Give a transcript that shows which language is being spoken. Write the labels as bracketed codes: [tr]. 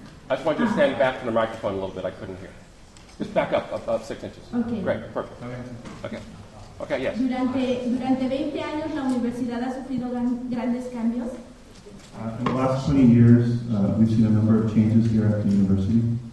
[en] I just want you to stand back from the microphone a little bit. I couldn't hear. Just back up about 6 inches. Okay. Great. Perfect. Okay. Okay, yes. [es] Durante 20 años, la universidad ha sufrido grandes cambios. [en] In the last 20 years, we've seen a number of changes here at the university.